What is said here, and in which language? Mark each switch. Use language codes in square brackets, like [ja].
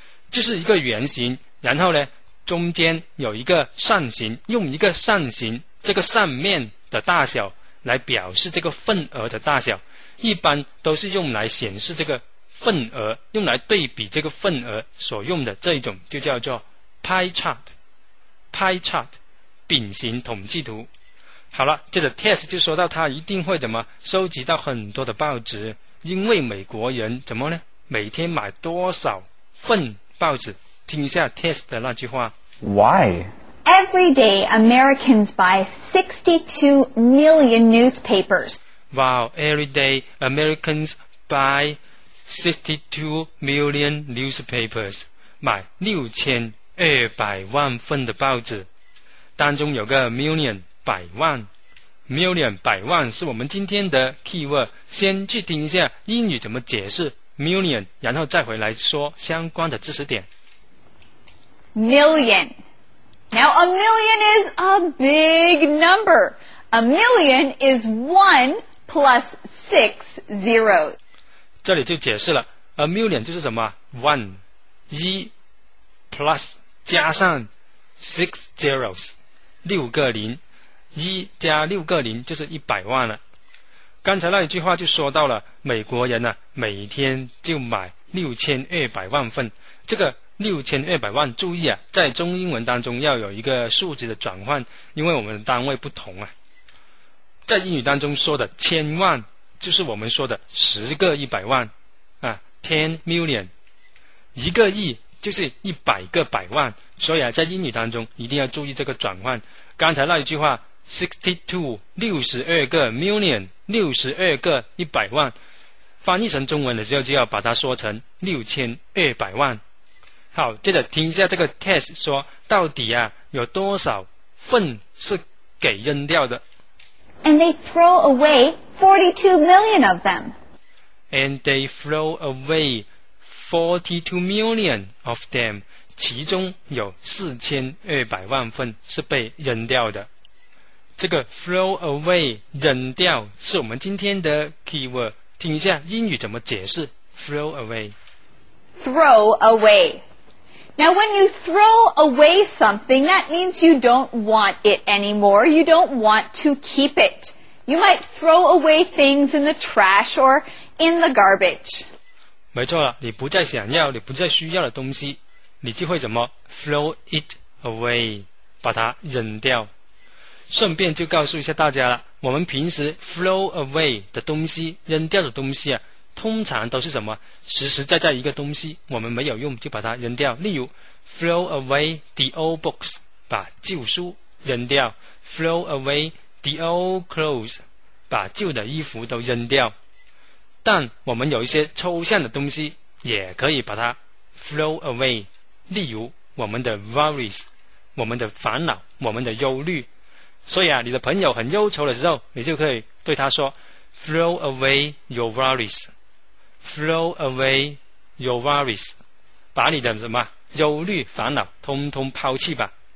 [zh] 就是一个圆形，然后呢中间有一个扇形，用一个扇形这个扇面的大小来表示这个份额的大小，一般都是用来显示这个份额，用来对比这个份额所用的，这一种就叫做 pie chartPie chart, 饼形统计图。好了，接着 Tess 就说到他一定会怎么收集到很多的报纸，因为美国人怎么呢？每天买多少份报纸？听一下 Tess 的那句话。 [en] Why? Every day, Americans buy 62 million newspapers. Wow, every day, Americans buy 62 million newspapers, [zh] 买6200万份的报纸。当中有个 million, 百万。million, 百万是我们今天的 keyword, 先去听一下英语怎么解释 million, 然后再回来说相关的知识点。 [en] Million. Now a million is a big number. A million is 1 plus 6 zeros. [zh] 这里就解释了 ,a million 就是什么 ?one, 一 plus 加上 six zeros, 六个零。一加六个零就是100万了。刚才那一句话就说到了美国人呢、每天就买6200万份。这个6200万，注意啊，在中英文当中要有一个数字的转换，因为我们的单位不同啊。在英语当中说的千万就是我们说的10个100万啊 ,10 million。一个亿就是100个100万，所以啊在英语当中一定要注意这个转换。刚才那一句话 ,62 million, 62个100万，翻译成中文的时候就要把它说成6200万。好，接着听一下这个 test 说到底啊有多少份是给扔掉的。 [en] And they throw away 42 million of them. And they throw away 42 million of them. [zh] 其中有4200万份是被扔掉的。这个 throw away 扔掉是我们今天的 keyword. 听一下英语怎么解释 throw away. [en] Throw away. Now when you throw away something, that means you don't want it anymore. You don't want to keep it. You might throw away things in the trash or in the garbage. [zh] 没错了，你不再想要，你不再需要的东西，你就会怎么 [en] throw it away, [zh] 把它扔掉。顺便就告诉一下大家了，我们平时 throw away 的东西，扔掉的东西啊，通常都是什么实实在在一个东西，我们没有用就把它扔掉。例如 [en] throw away the old books, [zh] 把旧书扔掉。 [en] throw away the old clothes, [zh] 把旧的衣服都扔掉。但我们有一些抽象的东西也可以把它 throw away, 例如我们的 worries, 我们的烦恼，我们的忧虑。所以啊，你的朋友很忧愁的时候，你就可以对他说 [en] throw away your worries, [zh] throw away your worries, 把你的什么忧虑烦恼通通抛弃吧。